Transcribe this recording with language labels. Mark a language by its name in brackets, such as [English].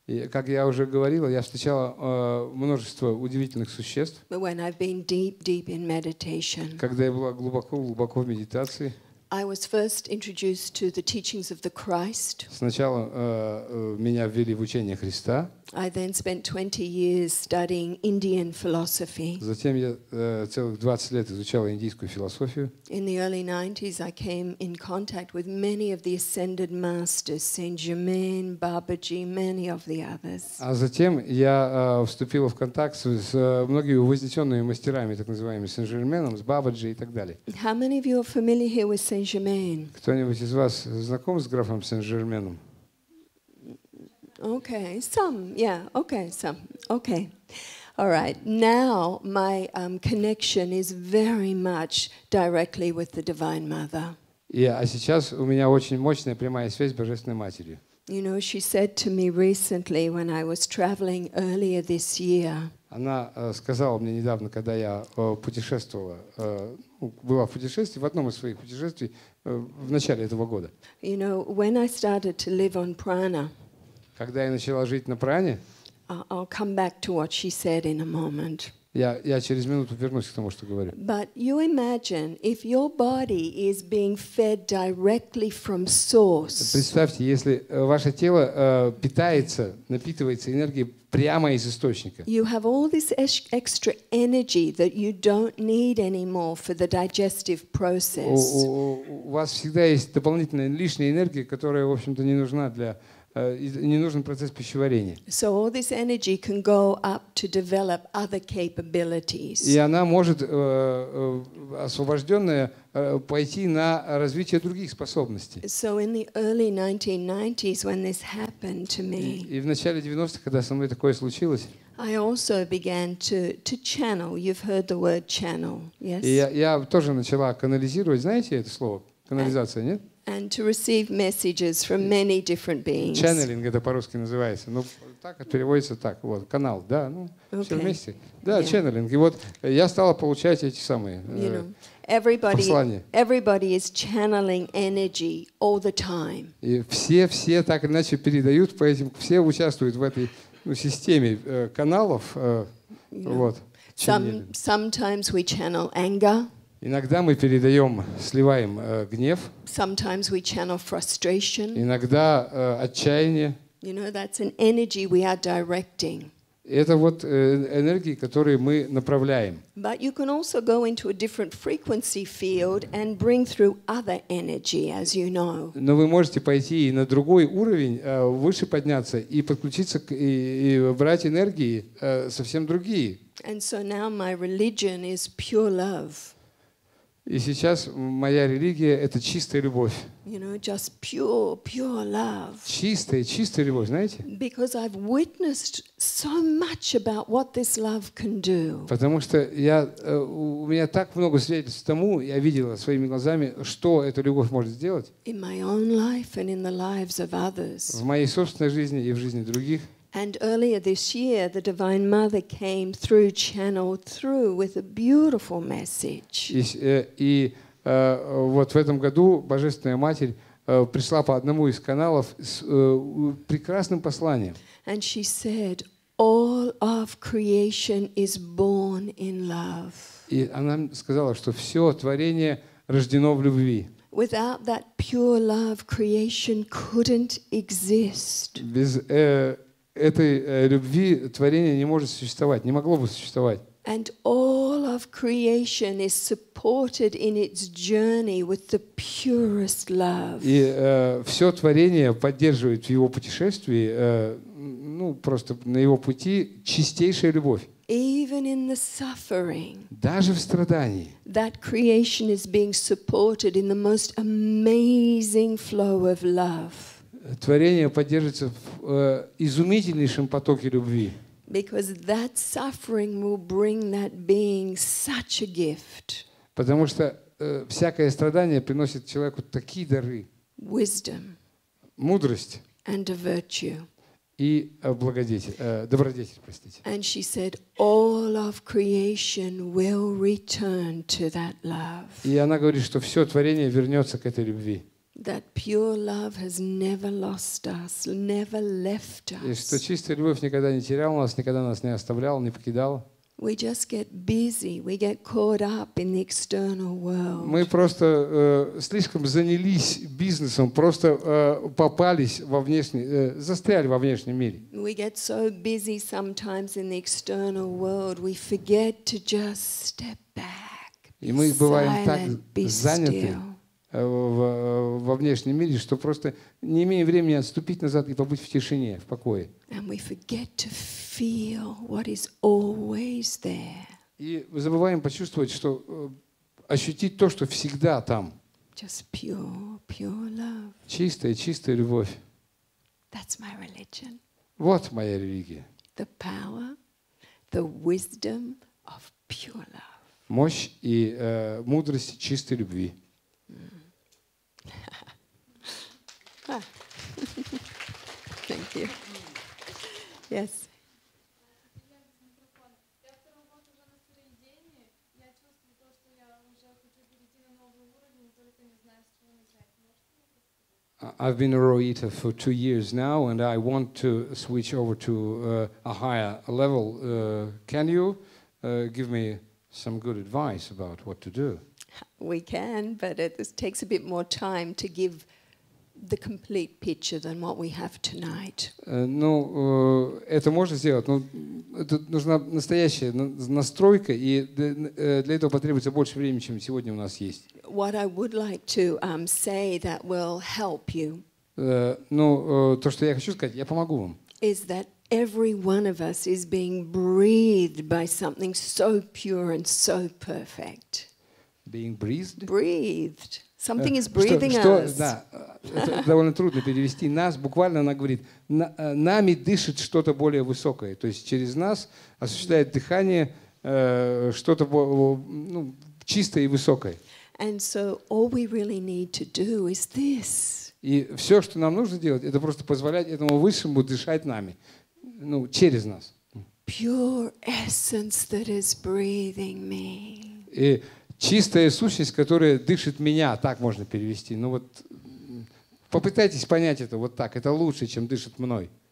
[Russian] Как я уже говорила, я встречала множество удивительных существ. [English] When I've been deep in meditation. [Russian] Когда я была глубоко в медитации. [English] I was first introduced to the teachings of the Christ. [Russian] Сначала меня ввели в учение Христа. [English] I then spent 20 years studying Indian philosophy. [Russian] Затем я целых 20 лет изучала индийскую философию. [English] In the early 90s I came in contact with many of the ascended masters, Saint Germain, Babaji, many of the others. [Russian] А затем я вступила в контакт с многими вознесенными мастерами, так называемыми Сен-Жерменом, с Бабаджи и так далее. [English] How many of you are familiar here with Saint-Germain? [Russian] Кто-нибудь из вас знаком с графом Сен-Жерменом? [English] Okay. All right. Now my connection is very much directly with the Divine Mother. [Russian] Yeah, а сейчас у меня очень мощная прямая связь с Божественной Матерью. [English] You know, she said to me recently when I was traveling earlier this year. [Russian] Она сказала мне недавно, когда я путешествовала, была в путешествии, в одном из своих путешествий в начале этого года. [English] You know, when I started to live on prana. [Russian] Когда я начала жить на пране, [English] I'll come back to what she said in a moment. [Russian] Я через минуту вернусь к тому, что говорю. [English] But you imagine if your body is being fed directly from source. [Russian] Представьте, если ваше тело питается, напитывается энергией прямо из источника. [English] You have all this extra energy that you don't need anymore for the digestive process. [Russian] У вас всегда есть дополнительная лишняя энергия, которая, в общем-то, не нужна для не нужен процесс пищеварения. [English] So all this energy can go up to develop other capabilities. [Russian] И она может освобожденная пойти на развитие других способностей. [English] So in the early 1990s, when this happened to me. [Russian] И в начале 90-х, когда со мной такое случилось. [English] I also began to channel. You've heard the word channel, yes? [Russian] Я тоже начала канализировать. Знаете это слово? Канализация, нет? [English] And to receive messages from many different beings. [Russian] Channeling это по-русски называется. Ну, так переводится так. Вот, канал, да, ну, okay. Все вместе. Да, yeah. Channeling. И вот я стала получать эти самые послания. [English] Everybody is channeling energy all the time. [Russian] И все так иначе передают по этим, все участвуют в этой системе каналов. Вот. [English] Sometimes we channel anger. [Russian] Иногда мы передаем, сливаем гнев. [English] Sometimes we channel frustration. [Russian] Иногда отчаяние. [English] You know, that's an energy we are directing. [Russian] Это вот энергии, которые мы направляем. [English] But you can also go into a different frequency field and bring through other energy, as you know. [Russian] Но вы можете пойти и на другой уровень, выше подняться и подключиться и брать энергии совсем другие. [English] And so now my religion is pure love. [Russian] И сейчас моя религия — это чистая любовь. [English] You know, just pure, pure love. [Russian] Чистая, чистая любовь, знаете? [English] Because I've witnessed so much about what this love can do. [Russian] Потому что у меня так много свидетельств тому, я видела своими глазами, что эта любовь может сделать. [English] In my own life and in the lives of others. [Russian] В моей собственной жизни и в жизни других. [English] And earlier this year, the Divine Mother came through, channeled through with a beautiful message. [Russian] Вот в этом году Божественная Матерь пришла по одному из каналов с прекрасным посланием. [English] And she said, "All of creation is born in love." [Russian] И она сказала, что все творение рождено в любви. [English] Without that pure love, creation couldn't exist. [Russian] Без этой любви творение не может существовать, не могло бы существовать. [English] And all of creation is supported in its journey with the purest love. [Russian] И все творение поддерживает в его путешествии, просто на его пути чистейшая любовь. [English] Even in the suffering, [Russian] даже в страдании, [English] that creation is being supported in the most amazing flow of love. [Russian] Творение поддерживается в изумительнейшем потоке любви. [English] Because that suffering will bring that being such a gift. [Russian] Потому что всякое страдание приносит человеку такие дары. [English] Wisdom. [Russian] Мудрость. [English] And a virtue. [Russian] И добродетель, простите. [English] And she said, all of creation will return to that love. [Russian] И она говорит, что все творение вернется к этой любви. [English] That pure love has never lost us, never left us. [Russian] И что чистая любовь никогда не теряла нас, никогда нас не оставляла, не покидала. [English] We just get busy, we get caught up in the external world. [Russian] Мы просто слишком занялись бизнесом, просто попались во внешний, застряли во внешнем мире. [English] We get so busy sometimes in the external world, we forget to just step back. [Russian] И мы бываем так заняты во внешнем мире, что просто не имеем времени отступить назад и побыть в тишине, в покое. [English] And we forget to feel what is always there. [Russian] И забываем почувствовать, что ощутить то, что всегда там. [English] Just pure, pure love. [Russian] Чистая, чистая любовь. [English] That's my religion. [Russian] Вот моя религия. [English] The power, the wisdom of pure love. [Russian] Мощь и мудрость чистой любви. [English] Thank you. Yes. I've been a raw eater for 2 years now, and I want to switch over to a higher level. Can you give me some good advice about what to do? We can, but it takes a bit more time to give the complete picture than what we have tonight. [Russian] Это можно сделать, но это нужна настоящая настройка, и для этого потребуется больше времени, чем сегодня у нас есть. [English] What I would like to say that will help you. [Russian] То, что я хочу сказать, я помогу вам. [English] Is that every one of us is being breathed by something so pure and so perfect. Being breathed? Breathed. Something is breathing us. [Russian] Да, это довольно трудно перевести. Нас, буквально она говорит, нами дышит что-то более высокое. То есть через нас осуществляет дыхание что-то чистое и высокое. [English] And so all we really need to do is this. [Russian] И все, что нам нужно делать, это просто позволять этому Высшему дышать нами, через нас. [English] Pure essence that is breathing me. [Russian] И чистая сущность, которая дышит меня, так можно перевести. Попытайтесь понять это вот так. Это лучше, чем дышит мной.